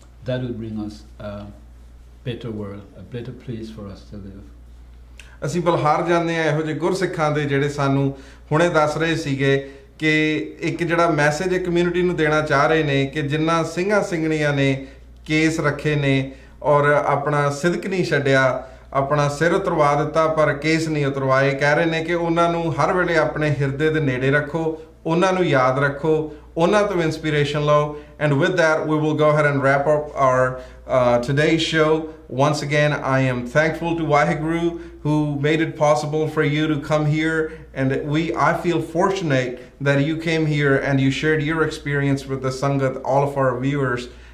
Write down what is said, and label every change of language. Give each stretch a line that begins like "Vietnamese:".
English: That would bring us a better world, a better place for us to live.
Punjabi: ਅਸੀਂ ਬਲਹਾਰ ਜਾਂਦੇ ਹਾਂ ਇਹੋ ਜਿਹੇ ਗੁਰਸਿੱਖਾਂ ਦੇ ਜਿਹੜੇ ਸਾਨੂੰ ਹੁਣੇ ਦੱਸ ਰਹੇ ਸੀਗੇ ਕਿ ਇੱਕ ਜਿਹੜਾ ਮੈਸੇਜ ਕਮਿਊਨਿਟੀ ਨੂੰ ਦੇਣਾ ਚਾਹ ਰਹੇ ਨੇ ਕਿ ਜਿੰਨਾ ਸਿੰਘਾਂ ਸਿੰਘਣੀਆਂ ਨੇ ਕੇਸ ਰੱਖੇ ਨੇ ਔਰ ਆਪਣਾ ਸਿਦਕ ਨਹੀਂ ਛੱਡਿਆ, ਆਪਣਾ ਸਿਰ ਉਤਰਵਾ ਦਿੱਤਾ ਪਰ ਕੇਸ ਨਹੀਂ ਉਤਰਵਾਏ, ਕਹਿ ਰਹੇ ਨੇ ਕਿ ਉਹਨਾਂ ਨੂੰ ਹਰ ਵੇਲੇ ਆਪਣੇ ਹਿਰਦੇ ਦੇ ਨੇੜੇ ਰੱਖੋ, ਉਹਨਾਂ ਨੂੰ ਯਾਦ ਰੱਖੋ, ਉਹਨਾਂ ਤੋਂ ਇੰਸਪੀਰੇਸ਼ਨ ਲਓ.
English: And with that we will go ahead and wrap up our today's show. Once again, I am thankful to Waheguru who made it possible for you to come here, and I feel fortunate that you came here and you shared your experience with the Sangat, all of our viewers.